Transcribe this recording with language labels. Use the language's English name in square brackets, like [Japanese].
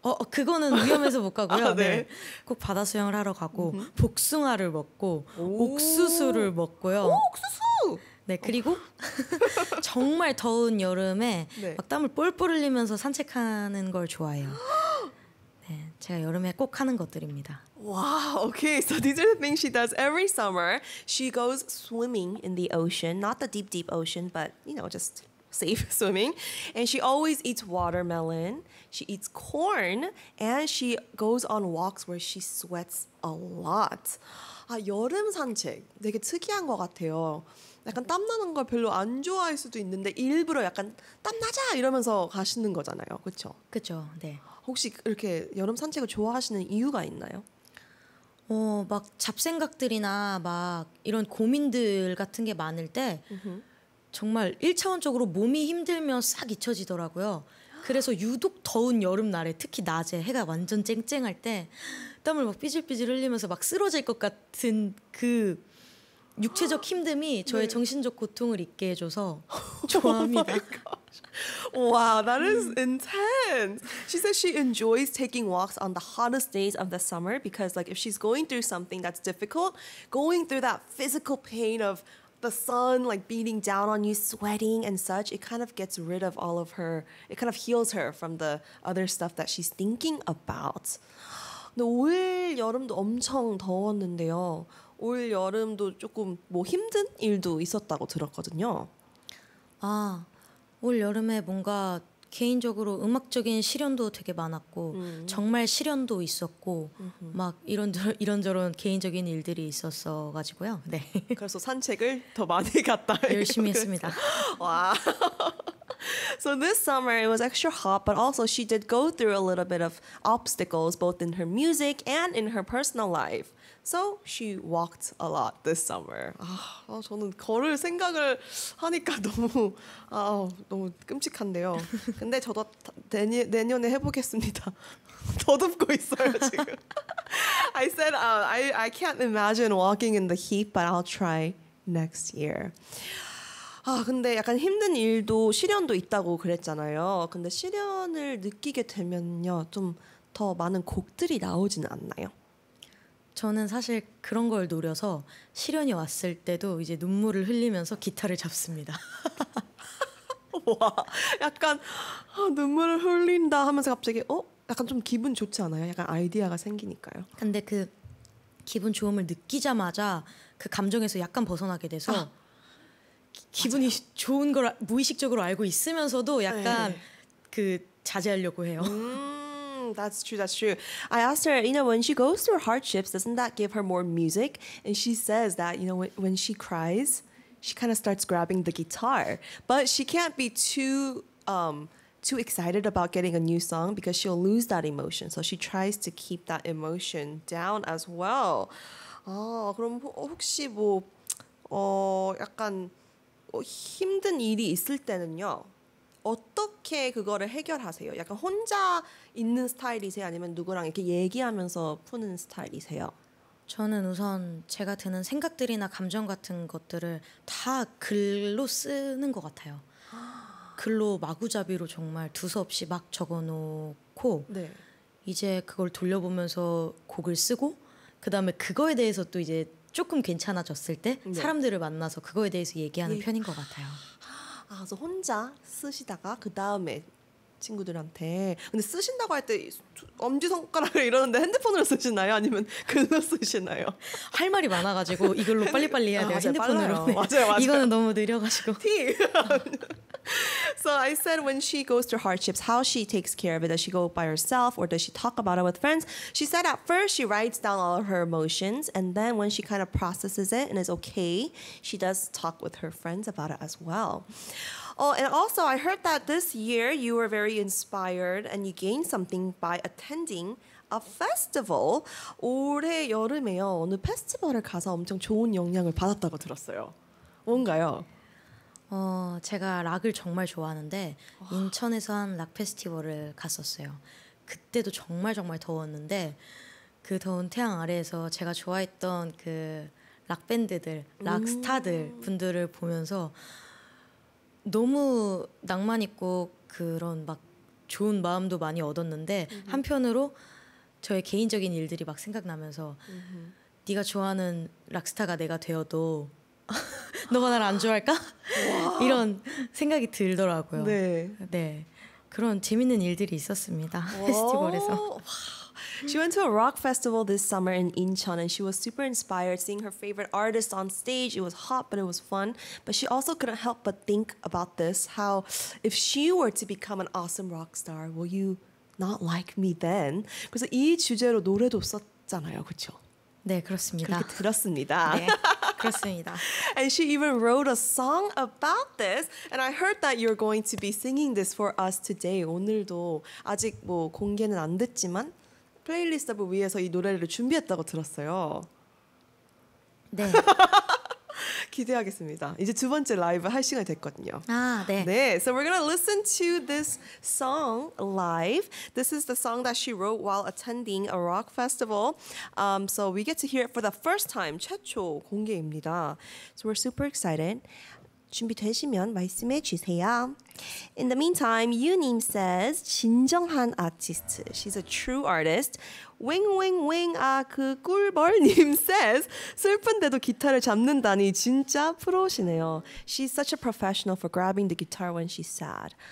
[Korean] 그거는 위험해서 못 가고요. 아, 네. 네. 꼭 바다 수영을 하러 가고 복숭아를 먹고 옥수수를 먹고요. 옥수수! 네, 그리고 정말 더운 여름에 네. 막 땀을 뽈뽈 흘리면서 산책하는 걸 좋아해요. 네, 제가 여름에 꼭 하는 것들입니다. [English] Wow, okay. So these are the things she does every summer. She goes swimming in the ocean, not the deep, deep ocean, but, you know, just safe swimming. And she always eats watermelon. She eats corn. And she goes on walks where she sweats a lot. [Korean] 아, 여름 산책 되게 특이한 것 같아요. 약간 땀나는 걸 별로 안 좋아할 수도 있는데 일부러 약간 땀나자 이러면서 가시는 거잖아요. 그렇죠? 그렇죠. 네. 혹시 이렇게 여름 산책을 좋아하시는 이유가 있나요? 막 잡생각들이나 막 이런 고민들 같은 게 많을 때 정말 1차원적으로 몸이 힘들면 싹 잊혀지더라고요. 그래서 유독 더운 여름날에 특히 낮에 해가 완전 쨍쨍할 때 땀을 막 삐질삐질 흘리면서 막 쓰러질 것 같은 그 육체적 힘듦이 저의 네. 정신적 고통을 잊게 해줘서 좋아합니다. [English] Wow, that is intense. She says she enjoys taking walks on the hottest days of the summer because like if she's going through something that's difficult, going through that physical pain of the sun like beating down on you, sweating and such, it kind of gets rid of all of her, it kind of heals her from the other stuff that she's thinking about. [Korean] 근데 올 여름도 엄청 더웠는데요. 올 여름도 조금 뭐 힘든 일도 있었다고 들었거든요. 아, 올 여름에 뭔가 개인적으로 음악적인 시련도 되게 많았고 정말 시련도 있었고 막 이런저런 개인적인 일들이 있었어가지고요. 네. 그래서 산책을 더 많이 갔다. 열심히 했습니다. 와. [English] So this summer it was extra hot, but also she did go through a little bit of obstacles both in her music and in her personal life. So she walked a lot this summer. [Korean] 아, 저는 걸을 생각을 하니까 너무 끔찍한데요. 근데 저도 내년에 해보겠습니다. 더듬고 있어요 지금. [English] I said I can't imagine walking in the heat, but I'll try next year. [Korean] 아, 근데 약간 힘든 일도 시련도 있다고 그랬잖아요. 근데 시련을 느끼게 되면요, 좀 더 많은 곡들이 나오지는 않나요? 저는 사실 그런 걸 노려서 시련이 왔을 때도 이제 눈물을 흘리면서 기타를 잡습니다. 와, 약간 눈물을 흘린다 하면서 갑자기 약간 좀 기분 좋지 않아요? 약간 아이디어가 생기니까요. 근데 그 기분 좋음을 느끼자마자 그 감정에서 약간 벗어나게 돼서 기분이 맞아요. 좋은 걸 무의식적으로 알고 있으면서도 약간 그 자제하려고 해요. [English] That's true, that's true. I asked her, you know, when she goes through hardships, doesn't that give her more music? And she says that, you know, when she cries, she kind of starts grabbing the guitar. But she can't be too excited about getting a new song because she'll lose that emotion. So she tries to keep that emotion down as well. [Korean] 아, 그럼 혹시 뭐, 약간 힘든 일이 있을 때는요. 어떻게 그거를 해결하세요? 약간 혼자 있는 스타일이세요? 아니면 누구랑 이렇게 얘기하면서 푸는 스타일이세요? 저는 우선 제가 드는 생각들이나 감정 같은 것들을 다 글로 쓰는 것 같아요. 글로 마구잡이로 정말 두서없이 막 적어놓고 네. 이제 그걸 돌려보면서 곡을 쓰고 그다음에 그거에 대해서 또 이제 조금 괜찮아졌을 때 네. 사람들을 만나서 그거에 대해서 얘기하는 편인 것 같아요. 아, 그래서 혼자 쓰시다가 그 다음에 친구들한테 근데 쓰신다고 할 때 엄지손가락을 이러는데 핸드폰으로 쓰시나요? 아니면 글로 쓰시나요? 할 말이 많아가지고 이걸로 빨리빨리 해야 돼요. 아, 핸드폰으로 네. 맞아요 맞아요 이거는 너무 느려가지고 티! [English] So I said when she goes through hardships, how she takes care of it. Does she go by herself or does she talk about it with friends? She said at first she writes down all of her emotions and then when she kind of processes it and is okay, she does talk with her friends about it as well. Oh, and also I heard that this year you were very inspired and you gained something by attending a festival. [Korean] 올해 여름에요. 어느 페스티벌을 가서 엄청 좋은 영향을 받았다고 들었어요. 뭔가요? 제가 락을 정말 좋아하는데 인천에서 한 락 페스티벌을 갔었어요. 그때도 정말 정말 더웠는데 그 더운 태양 아래에서 제가 좋아했던 그 락 밴드들, 락 스타들 분들을 보면서 너무 낭만 있고 그런 막 좋은 마음도 많이 얻었는데 한편으로 저의 개인적인 일들이 막 생각나면서 네가 좋아하는 락스타가 내가 되어도 너가 나를 안 좋아할까? 이런 생각이 들더라고요. 네. 네. 그런 재밌는 일들이 있었습니다. 페스티벌에서. [English] She went to a rock festival this summer in Incheon and she was super inspired seeing her favorite artist on stage. It was hot, but it was fun. But she also couldn't help but think about this, how if she were to become an awesome rock star, will you not like me then? [Korean] 그래서 이 주제로 노래도 썼잖아요, 그렇죠? 네, 그렇습니다. 그렇게 들었습니다. 네, 그렇습니다. [English] And she even wrote a song about this. And I heard that you're going to be singing this for us today. [Korean] 오늘도 아직 뭐 공개는 안 됐지만 플레이리스트를 위해서 이 노래를 준비했다고 들었어요. 네. 기대하겠습니다. 이제 두 번째 라이브 할 시간이 됐거든요. 아, 네. [English] 네, so we're gonna listen to this song live. This is the song that she wrote while attending a rock festival. So we get to hear it for the first time, [Korean] 최초 공개입니다. [English] So we're super excited. [Korean] 준비되시면 말씀해 주세요. [English] In the meantime, Yunim says, [Korean] 진정한 아티스트. [English] She's a true artist. Wing wing wing. [Korean] 아, 그 꿀벌님 says, 슬픈데도 기타를 잡는다니 진짜 프로시네요. [English] She's such a professional for grabbing the guitar when she's sad.